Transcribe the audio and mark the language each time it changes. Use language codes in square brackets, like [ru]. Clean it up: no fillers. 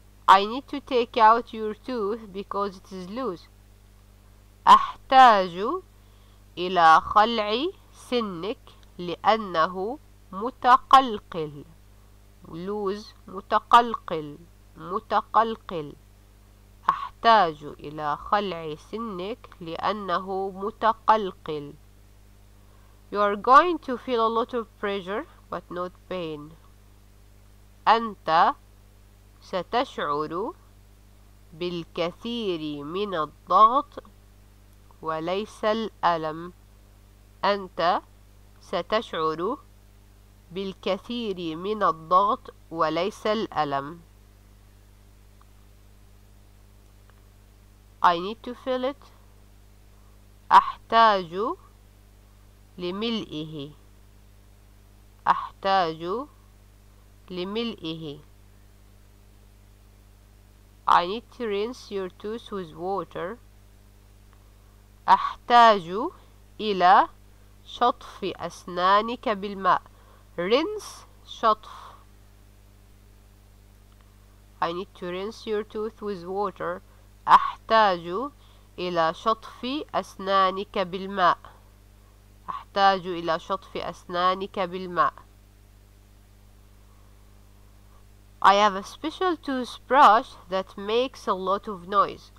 [en] I need to take out your tooth because it is loose. [ar] أحتاج إلى خلع سنك لأنه متقلقل. [en] Loose [ar] متقلقل. متقلقل. أحتاج إلى خلع سنك لأنه متقلقل. [en] You are going to feel a lot of pressure but not pain. [ar] أنت ستشعر بالكثير من الضغط وليس الألم. أنت ستشعر بالكثير من الضغط وليس الألم. [en] I need to fill it. [ar] أحتاج لملئه. أحتاج لملئه. [en] I need to rinse your tooth with water. [ar] أحتاج إلى شطف أسنانك بالماء. [en] Rinse, [ar] شطف. [en] I need to rinse your tooth with water. [ar] أحتاج إلى شطف أسنانك بالماء. أحتاج إلى شطف أسنانك بالماء. [en] I have a special toothbrush that makes a lot of noise.